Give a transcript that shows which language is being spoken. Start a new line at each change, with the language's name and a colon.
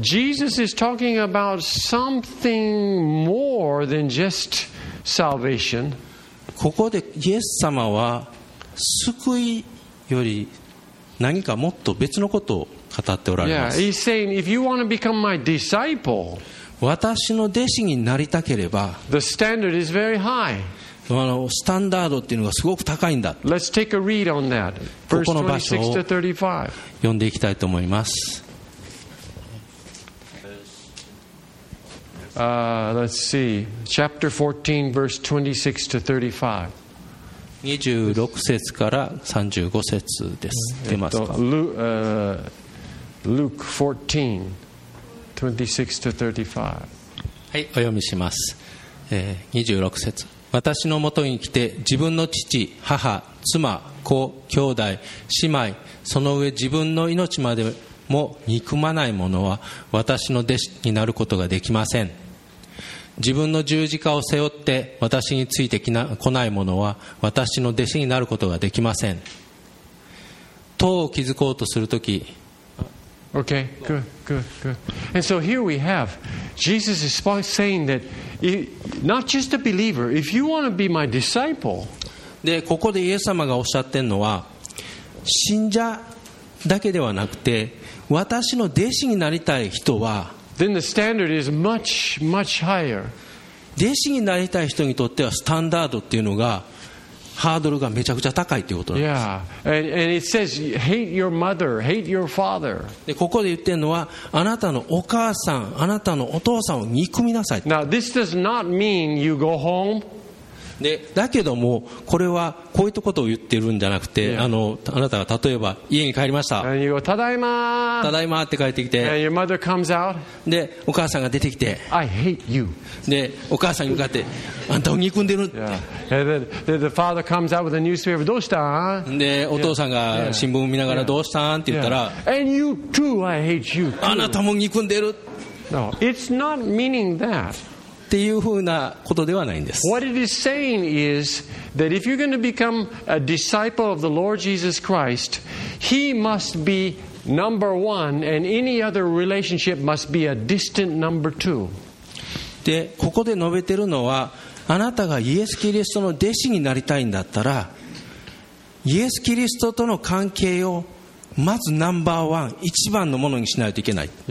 English: Jesus is talking about something more than just salvation.
Japanese: ここでイエス様は救いより何かもっと別のことを語っておられます。
English: Yeah, he's saying if you want to become my disciple,
Japanese: 私の弟子になりたければ
English: the standard is very high.
Japanese: スタンダードっていうのがすごく高いんだ。
English: Let's take a read on that.
Japanese: ここの場所を読んでいきたいと思います。
English: Let's see. Chapter 14, verse 26 to 35.
Japanese: 26節から35節です。出ますか。
English: Luke 14, 26 to 35.
Japanese: はい、お読みします。26節。私のもとに来て自分の父、母、妻、子、兄弟、姉妹、その上自分の命までも憎まない者は私の弟子になることができません。自分の十字架を背負って私について来ない者は私の弟子になることができません。塔を築こうとするとき。
English: Okay, good, good, good. And so here we have, Jesus is saying that, not just a believer, if you want to be my disciple.
Japanese: で、ここでイエス様がおっしゃってるのは、信者だけではなくて、私の弟子になりたい人は、
English: Then the standard is much, much higher.
Japanese: 弟子になりたい人にとってはスタンダードっていうのが、ハードルがめちゃくちゃ高いということなんです。
English: Yeah. And it says, hate your mother, hate your father.
Japanese: で、ここで言ってるのは、あなたのお母さん、あなたのお父さんを憎みなさい。
English: Now, this does not mean you go home.
Japanese: で、だけども、これはこういったことを言ってるんじゃなくて、yeah. あなたが例えば家に帰りました。
English: And you go,
Japanese: ただいまただいまって帰ってきて。
English: And your mother comes out.
Japanese: で、お母さんが出てきて。
English: I hate you.
Japanese: でお母さんに向かってあんたを憎んでる、
English: yeah. the
Japanese: どうしたんでお父さんが新聞を見ながらどうしたんって言ったら、
English: yeah. Yeah. Too,
Japanese: あなたも憎んでる、
English: no. It's not meaning that.
Japanese: っていうふうなことではないんです。
English: What it is saying is that if you're going to become a disciple of the Lord Jesus Christ, he must be number one, and any other relationship must be a distant number two.
Japanese: でここで述べてるのは、あなたがイエス・キリストの弟子になりたいんだったら、イエス・キリストとの関係をまずナンバーワン、一番のものにしないといけない。